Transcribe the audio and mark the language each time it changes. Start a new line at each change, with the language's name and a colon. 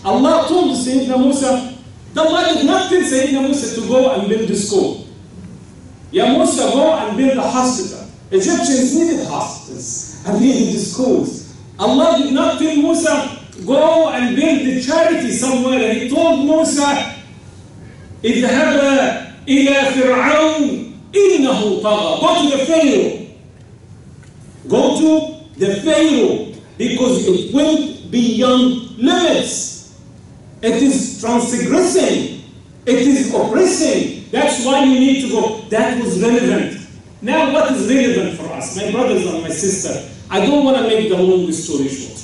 English: Allah told Sayyidina Musa, Allah did not tell Sayyidina Musa to go and build a school. Ya Musa, go and build a hospital. Egyptians needed hospitals and needed schools. Allah did not tell Musa, go and build the charity somewhere. He told Musa,
Arabic: اذهب إلى فرعون إنه طغى.
English: Go to the Pharaoh. Go to the Pharaoh because it went beyond limits. It is transgressing. It is oppressing. That's why you need to go. That was relevant. Now, what is relevant for us, my brothers and my sister? I don't want to make the long story short.